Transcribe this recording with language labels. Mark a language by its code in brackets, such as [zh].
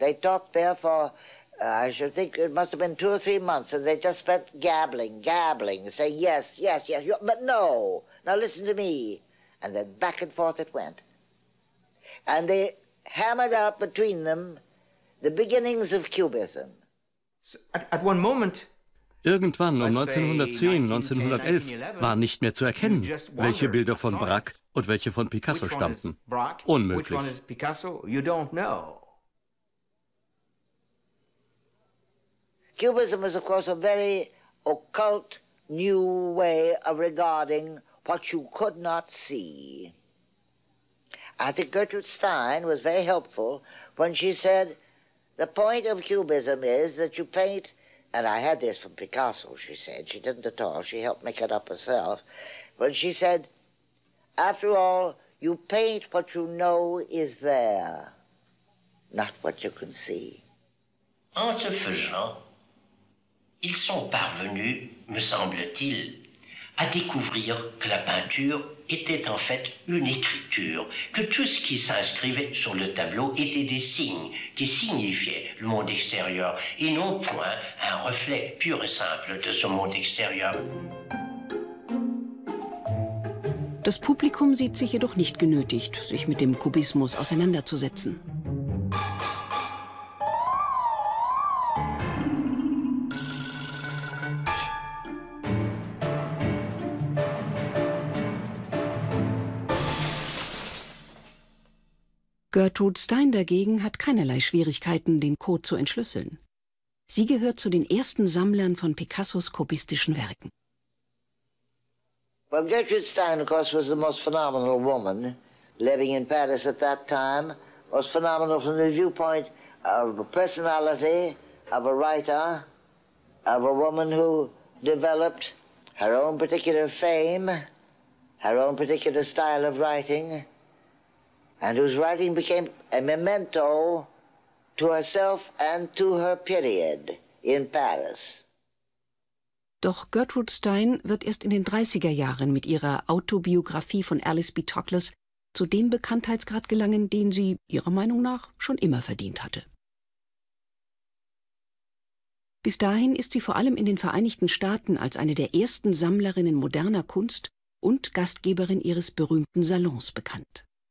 [en] They talked there for, I should think it must have been 2 or 3 months, and they just spent gabbling, saying yes, yes, yes, but no, now listen to me. And then back and forth it went. And they hammered out between them the beginnings of Cubism. So at one moment, [de] irgendwann um 1910, 1911 war nicht mehr zu erkennen, welche Bilder von Braque und welche von Picasso stammten. Unmöglich. [en] Cubism was, of course, a very occult new way of regarding what you could not see. I think Gertrude Stein was very helpful when she said, the point of Cubism is that you paint. And I had this from Picasso, she said. She didn't at all. She helped make it up herself. But she said, after all, you paint what you know is there, not what you can see. [fr] En se faisant, ils sont parvenus, me semble-t-il, à découvrir que la peinture était en fait une écriture, que tout ce qui s'inscrivait sur le tableau était des signes qui signifiaient le monde extérieur et non point un reflet pur et simple de ce monde extérieur. [de] Das Publikum sieht sich jedoch nicht genötigt, sich mit dem Kubismus auseinanderzusetzen. Gertrude Stein dagegen hat keinerlei Schwierigkeiten, den Code zu entschlüsseln. Sie gehört zu den ersten Sammlern von Picassos kubistischen Werken. [en] Well, Gertrude Stein, of course, was the most phenomenal woman living in Paris at that time. Was phenomenal from the viewpoint of a personality, of a writer, of a woman who developed her own particular fame, her own particular style of writing. And whose writing became a memento to herself and to her period in Paris. [de] Doch Gertrude Stein wird erst in den 30er Jahren mit ihrer Autobiografie von Alice B. Toklas zu dem Bekanntheitsgrad gelangen, den sie ihrer Meinung nach schon immer verdient hatte. Bis dahin ist sie vor allem in den Vereinigten Staaten als eine der ersten Sammlerinnen moderner Kunst und Gastgeberin ihres berühmten Salons bekannt.